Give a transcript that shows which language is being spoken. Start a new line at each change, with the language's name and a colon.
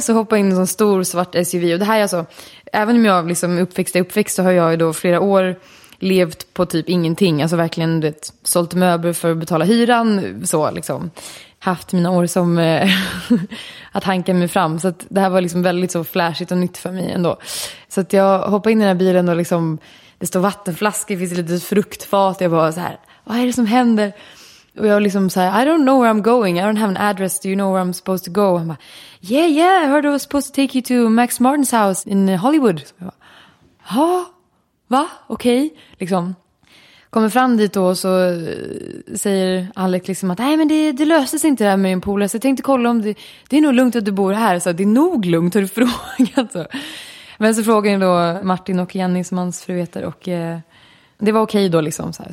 Swedish: Så hoppar in en sån stor svart SUV. Och det här är alltså, även om jag liksom uppväxt, så har jag ju då flera år levt på typ ingenting, alltså verkligen, du vet, sålt möbler för att betala hyran, så liksom haft mina år som att hanka mig fram, så att det här var liksom väldigt så flashigt och nytt för mig ändå. Så att jag hoppar in i den här bilen och liksom det står vattenflaskor, finns lite fruktfat, jag bara så här, vad är det som händer? Och jag liksom så här,
English: I don't know where I'm going, I don't have an address, do you know where I'm supposed to go?
Swedish: Han bara,
English: yeah yeah, I heard I was supposed to take you to Max Martin's house in Hollywood.
Swedish: Så jag bara, ha? Va? Okej, okay. Liksom. Kommer fram dit då och så säger Alex liksom att nej, men det löses inte det här med en polare. Så jag tänkte kolla om det är nog lugnt att du bor här. Så det är nog lugnt, har du frågat. Så. Men så frågar jag då Martin och Jenny som hans fru heter. Och det var okej okay då liksom. Så, här.